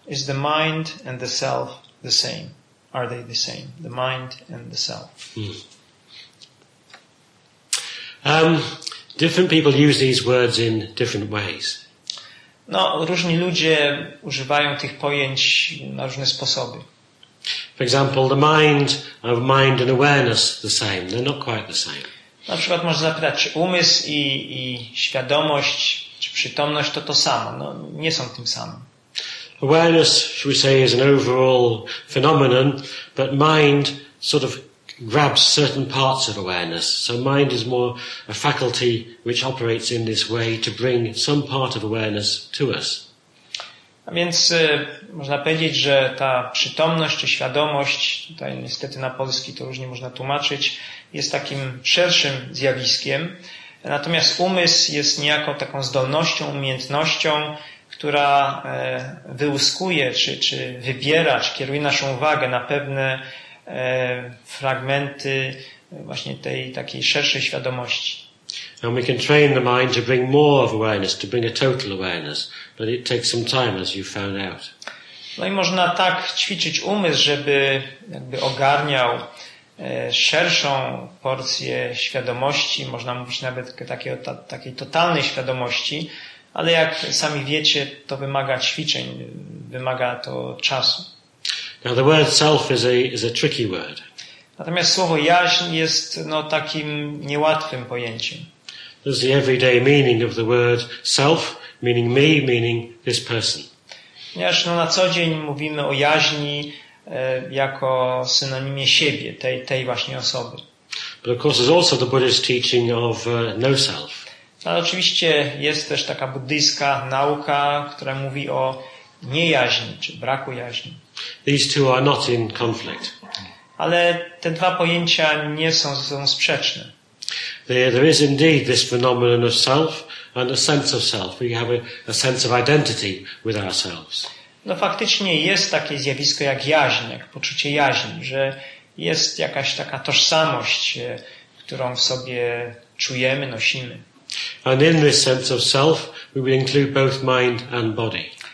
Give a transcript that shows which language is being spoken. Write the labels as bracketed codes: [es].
[en] Is the mind and the self the same? Are they the same? The mind and the self. Different people use these words in different ways. [pl] No, różni ludzie używają tych pojęć na różne sposoby. [en] For example, the mind and awareness the same. They're not quite the same. [pl] Na przykład można zapytać, czy umysł i świadomość, czy przytomność to samo. No, nie są tym samym. [en] Awareness, should we say, is an overall phenomenon, but mind sort of grabs certain parts of awareness. So mind is more a faculty which operates in this way to bring some part of awareness to us. [pl] A więc można powiedzieć, że ta przytomność czy świadomość, tutaj niestety na polski to różnie można tłumaczyć, jest takim szerszym zjawiskiem. Natomiast umysł jest niejako taką zdolnością, umiejętnością, która wyłuskuje czy wybiera, czy kieruje naszą uwagę na pewne fragmenty właśnie tej takiej szerszej świadomości. [en] And we can train the mind to bring more of awareness, to bring a total awareness, but it takes some time, as you found out. [pl] No i można tak ćwiczyć umysł, żeby jakby ogarniał szerszą porcję świadomości, można mówić nawet takiej totalnej świadomości, ale jak sami wiecie, to wymaga ćwiczeń, wymaga to czasu. [en] Now the word self is a tricky word. [pl] Natomiast słowo jaźń jest no, takim niełatwym pojęciem. [en] There's the everyday meaning of the word self, meaning me, meaning this person. [pl] Ponieważ no, na co dzień mówimy o jaźni jako synonimie siebie, tej właśnie osoby. [en] But of course there's also the Buddhist teaching of no self. [pl] Ale oczywiście jest też taka buddyjska nauka, która mówi o niejaźni, czy braku jaźni. [en] These two are not in conflict. [pl] Ale te dwa pojęcia nie są ze sobą sprzeczne. [en] There is indeed this phenomenon of self and a sense of self. We have a sense of identity with ourselves. [pl] No faktycznie jest takie zjawisko jak jaźń, jak poczucie jaźni, że jest jakaś taka tożsamość, którą w sobie czujemy, nosimy. [en] And in this sense of self, we will include both mind and body.